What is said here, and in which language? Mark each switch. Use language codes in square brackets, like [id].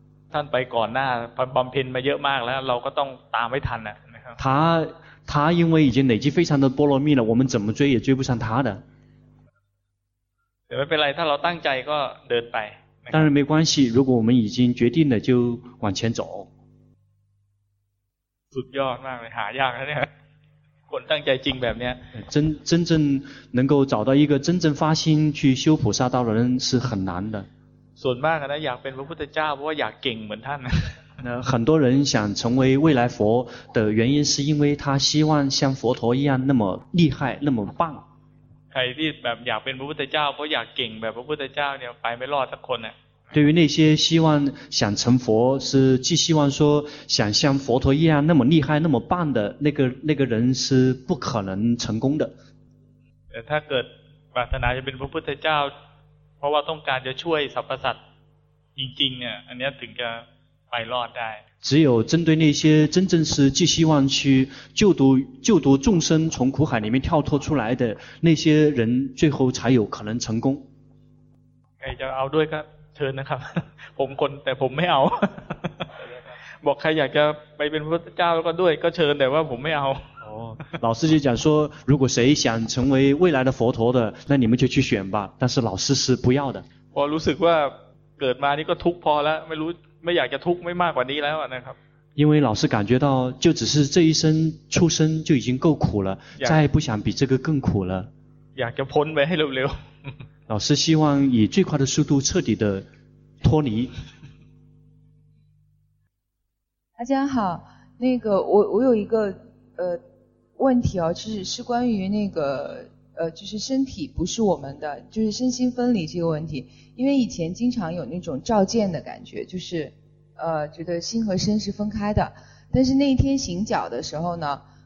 [th] 他ไปก่อนหน้าบำเพ็ญมาเยอะมากแล้วเราก็ต้องตามไม่ทันนะครับ [zh] 他因为已经累积非常的波罗蜜了我们怎么追也追不上他的 [th] ไม่เป็นไรถ้าเราตั้งใจก็เดินไป [zh] 当然没关系如果我们已经决定了就往前走 [th] สุดยอดมากเลยหายากแล้วเนี่ยคนตั้งใจจริงแบบเนี้ย [zh] 真正能够找到一个真正发心去修菩萨道的人是很难的 [th] ส่วนมากนะอยากเป็นพระพุทธเจ้าเพราะว่าอยากเก่งเหมือนท่านนะ [zh] 很多人想成为未来佛的原因是因为他希望像佛陀一样那么厉害那么棒 [th] ใครที่แบบอยากเป็นพระพุทธเจ้าเพราะอยากเก่งแบบพระพุทธเจ้าเนี่ยไปไม่รอดสักคนนะ [zh] 对于那些希望想成佛是既希望说想像佛陀一样那么厉害那么棒的那个人是不可能成功的 [th] 他เกิดปรารถนาจะเป็นพระพุทธเจ้าเพราะว่าต้องการจะช่วยสรรพสัตว์จริงๆเนี่ยอันนี้ถึงจะไปรอดได้ [zh] 只有针对那些真正是既希望去救度众生从苦海里面跳脱出来的那些人最后才有可能成功 [th] ใครจะเอาด้วยครับเชิญนะครับผมคนแต่ผมไม่เอาบอกใครอยากจะไปเป็นพระพุทธเจ้าก็ด้วยก็เชิญแต่ว่าผมไม่เอา [zh] อ๋อ老师就讲说如果谁想成为未来的佛陀的那你们就去选吧但是老师是不要的 [th] 我รู้สึกว่าเก กิดมานี่ก็ทุกข์พอแล้วไม่รู้ไม่อยากจะทุกข์ไม่มากกว่านี้แล้วนะครับ [zh] 因为老师感觉到就只是这一生出生就已经够苦了再不想比这个更苦了 [th] อยากจะพ้นไปให้เร็ว [zh] ๆ老师希望以最快的速度彻底的脱离大家好那个我有一个问题哦是关于那个就是身体不是我们的就是身心分离这个问题因为以前经常有那种照见的感觉就是觉得心和身是分开的但是那一天行脚的时候呢